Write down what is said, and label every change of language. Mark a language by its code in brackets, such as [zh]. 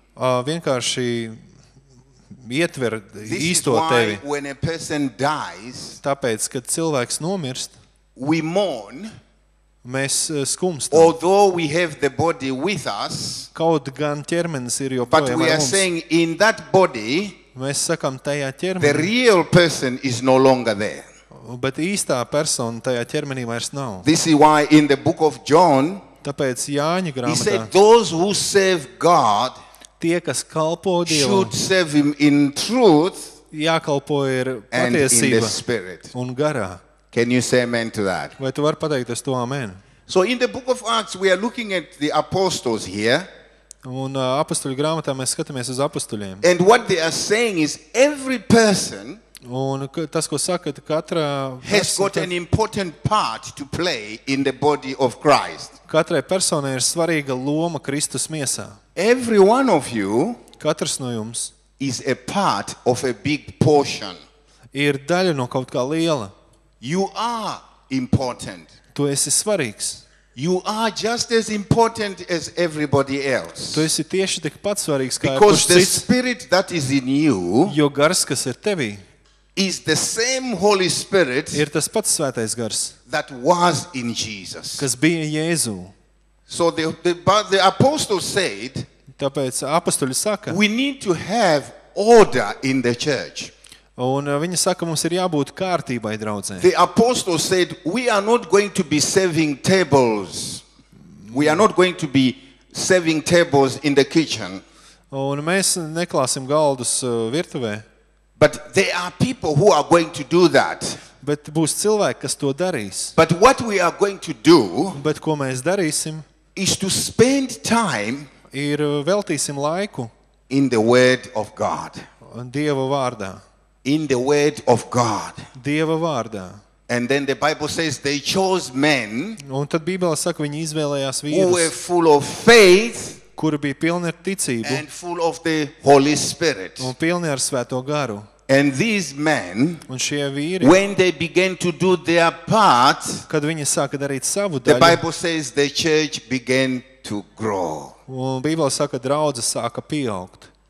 [lv] vienkārši ietver īsto tevi. [en] This is why when a person dies, [lv] tāpēc, kad cilvēks nomirst, [en] we mourn, [lv] mēs skumstam. [en] Although we have the body with us, [lv] kaut gan ķermenis ir joprojām mums, [en] but we are saying in that body, [lv] mēs sakam tajā ķermenī, [en] the real person is no longer there. [lv] Bet īstā persona tajā ķermenī vairs nav. [en] This is why in the book of John, [lv] tāpēc Jāņa grāmatā, [en] he said those who serve God, [lv] tie, kas kalpo Dievam, [en] should serve him in truth, [lv] jākalpo ir patiesība [en] and in the spirit, [lv] un garā. [en] Can you say amen to that? [lv] Vai tu vari pateikt uz to amen? [en] So in the book of Acts we are looking at the apostles here. [lv] Un apostoļu grāmatā mēs skatāmies uz apostoļiem. [en] And what they are saying is every person, [lv] un tas ko saka, katra [en] has got an important part to play in the body of Christ. [lv] Katrai personai ir svarīga loma Kristus miesā. [en] Every one of you, [lv] katrs no jums, [en] is a part of a big portion. [lv] Ir daļa no kaut kā liela. [en] You are important. [lv] Tu esi svarīgs. [en] You are just as important as everybody else. [lv] Tu esi tieši tik pat svarīgs kā kurš cits. [en] Because the spirit that is in you, [lv] jo gars, kas ir tevī, [en] is the same Holy Spirit, [lv] ir tas pats svētais gars, [en] that was in Jesus, [lv] kas bija Jēzū. [en] So the apostle said, [lv] tāpēc apostoļi saka, [en] we need to have order in the church. [lv] Un viņi saka, mums ir jābūt kārtībai, draudzē. [en] The apostle said, we are not going to be serving tables. We are not going to be serving tables in the kitchen. [lv] Un mēs neklāsim galdus virtuvē. [en] But there are people who are going to do that. [lv] Bet būs cilvēki, kas to darīs. [en] But what we are going to do, [lv] bet ko mēs darīsim, [en] is to spend time, [lv] ir veltīsim laiku, [en] in the word of God. [lv] Dieva vārdā. [en] In the word of God. [lv] Dieva vārdā. [en] And then the Bible says they chose men, [lv] un tad Bībelē saka, viņi izvēlējās vīrus, [en] who were full of faith, [lv] kuri bija pilni ar ticību, [en] and full of the Holy Spirit, [lv] un pilni ar svēto garu. [en] And these men, [lv] un šie vīri, [en] when they began to do their part, [lv] kad viņi sāka darīt savu daļu, [en] the Bible says the church began to grow, [lv] un Bībelē saka, draudze sāka pieaugt.